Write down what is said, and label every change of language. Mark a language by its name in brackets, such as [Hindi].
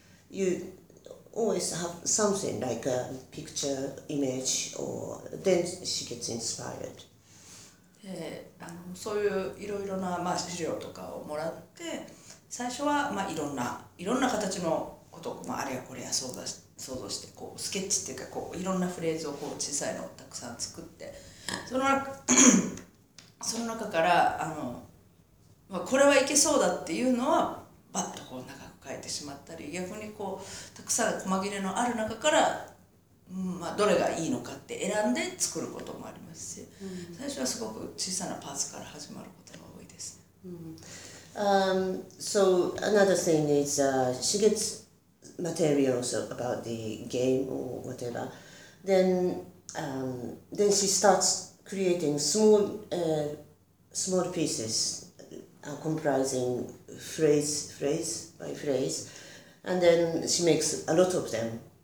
[English] You always have something like a picture, image, or then she gets inspired. [Japanese] そういういろいろな、まあ、資料とかをもらって、最初は、まあ、いろんな形のことを、まあ、あれやこれや想像して、こうスケッチっていうかこういろんなフレーズをこう小さいのをたくさん作ってその中からまあ、これはいけそうだっていうのはバッとこう長く書いてしまったり逆にこうたくさん細切れのある中から、うんまあ、どれがいいのかって選んで作ることもありますし、うん、最初はすごく小さなパーツから始まることが多いですね、 [English] うん、So another thing is she gets materials about the game or whatever, then she starts creating small pieces comprising phrase by phrase, and then she makes a lot of them.